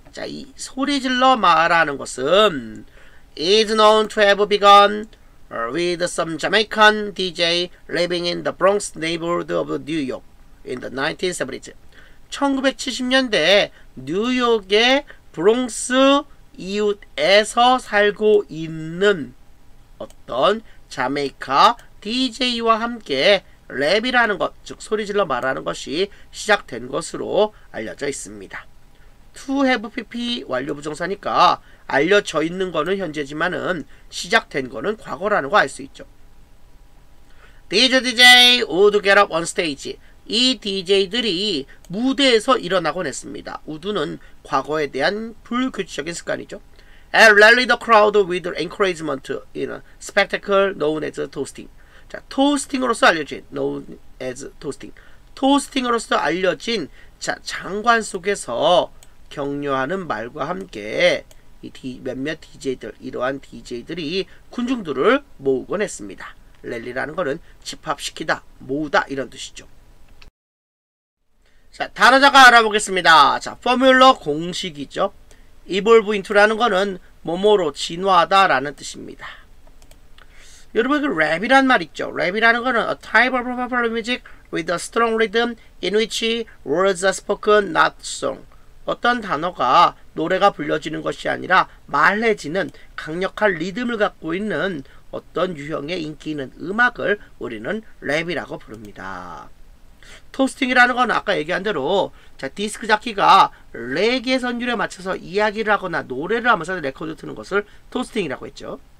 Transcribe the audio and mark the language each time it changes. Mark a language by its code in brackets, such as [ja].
[ko] 자, 이 소리 질러 말하는 것은 [en] is known to have begun with some Jamaican DJ living in the Bronx neighborhood of New York in the 1970s. [ko] 1970년대 뉴욕의 브롱스 이웃에서 살고 있는 어떤 자메이카 DJ와 함께 랩이라는 것, 즉 소리 질러 말하는 것이 시작된 것으로 알려져 있습니다. To have PP 완료 부정사니까 알려져 있는 거는 현재지만은 시작된 거는 과거라는 거 알 수 있죠. [en] These DJ would get up on stage. [ko] 이 DJ들이 무대에서 일어나곤 했습니다. 우두는 과거에 대한 불규칙적인 습관이죠. [en] And rally the crowd with encouragement in a spectacle known as toasting. [ko] 자, toasting으로서 알려진 known as toasting. Toasting으로서 알려진 자, 장관 속에서 격려하는 말과 함께 이 몇몇 DJ들, 이러한 DJ들이 군중들을 모으곤 했습니다. 랠리라는 거는 집합시키다, 모으다 이런 뜻이죠. 자, 단어자가 알아보겠습니다. 자, 포뮬러 공식이죠. evolve into라는 거는 뭐뭐로 진화하다 라는 뜻입니다. 여러분, 그 랩이란 말 있죠. 랩이라는 거는 [en] a type of popular music with a strong rhythm in which words are spoken, not sung. [ko] 어떤 단어가 노래가 불려지는 것이 아니라 말해지는 강력한 리듬을 갖고 있는 어떤 유형의 인기 있는 음악을 우리는 랩이라고 부릅니다. 토스팅이라는 건 아까 얘기한 대로 자, 디스크 자키가 레게 선율에 맞춰서 이야기를 하거나 노래를 하면서 레코드 트는 것을 토스팅이라고 했죠.